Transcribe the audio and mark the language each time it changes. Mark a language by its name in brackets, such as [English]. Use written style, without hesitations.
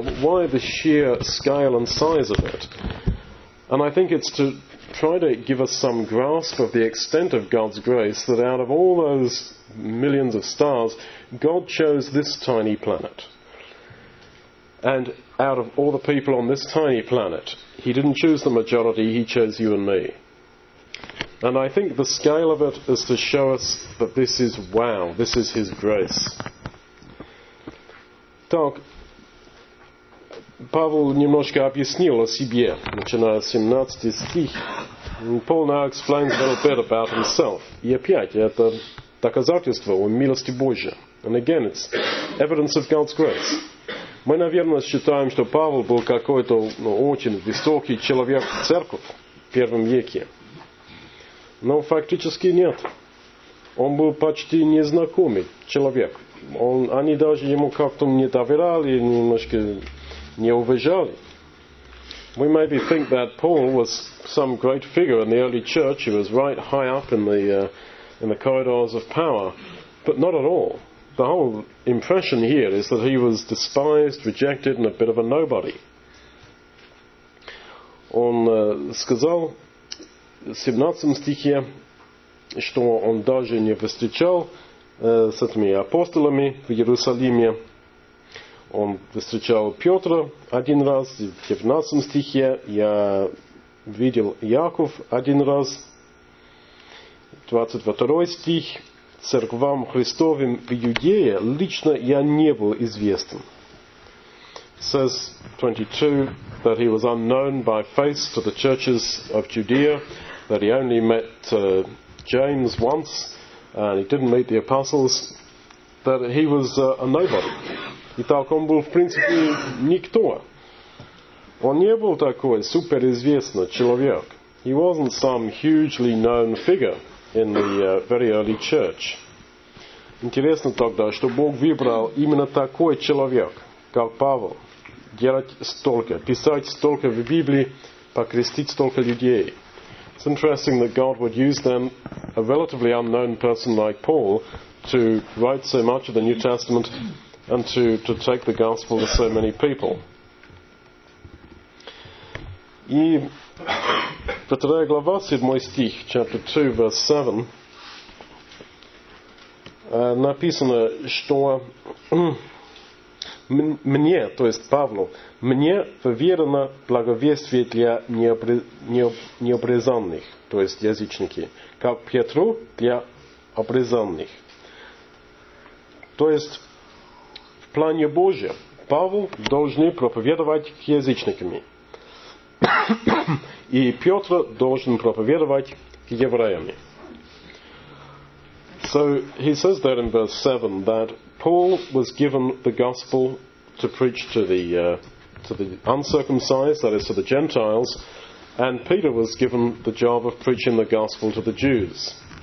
[English] Why the sheer scale and size of it? And I think it's to try to give us some grasp of the extent of God's grace that out of all those millions of stars, God chose this tiny planet. And out of all the people on this tiny planet, He didn't choose the majority, He chose you and me. And I think the scale of it is to show us that this is wow, this is His grace. [Russian] Так, Павел немножко объяснил о себе, начиная с 17 стих. [English] Paul now explains a little bit about himself. [Russian] И опять, это доказательство о милости Божьей. [English] And again, it's evidence of God's grace. [Russian] Мы, наверное, считаем, что Павел был какой-то очень высокий человек в церкви в первом веке. Но фактически нет. Он был почти незнакомый человек. Они даже ему как-то не доверяли, немножко не уважали. [English] We maybe think that Paul was some great figure in the early church. He was right high up in the corridors of power. But not at all. The whole impression here is that he was despised, rejected, and a bit of a nobody. [Russian] Он сказал... В 17 стихе, что он даже не встречал с этими апостолами в Иерусалиме. Он встречал Петра один раз. В 19 стихе я видел Яков один раз. 22 стих. Церквам Христовым в Иудее лично я не был известен. [English] Says 22 that he was unknown by face to the churches of Judea. That he only met James once, and he didn't meet the apostles, that he was a nobody. [Russian] И так он был, в принципе, никто. Он не был такой суперизвестный человек. [English] He wasn't some hugely known figure in the very early church. [Russian] Интересно тогда, что Бог выбрал именно такой человек, как Павел, делать столько, писать столько в Библии, покрестить столько людей. [English] It's interesting that God would use them a relatively unknown person like Paul to write so much of the New Testament and to take the gospel to so many people. [Russian] И вторая глава, 7 стих, [English] chapter 2, verse 7, [Russian] написано, что мне, то есть Павлу, мне поверено благовествие для необрезанных, то есть язычники, как Петру для обрезанных. То есть в плане Божьем Павел должен проповедовать язычникам, и Петр должен проповедовать евреям. [English] So he says there in verse 7 that Paul was given the gospel to preach to the uncircumcised, that is to the Gentiles, and Peter was given the job of preaching the gospel to the Jews.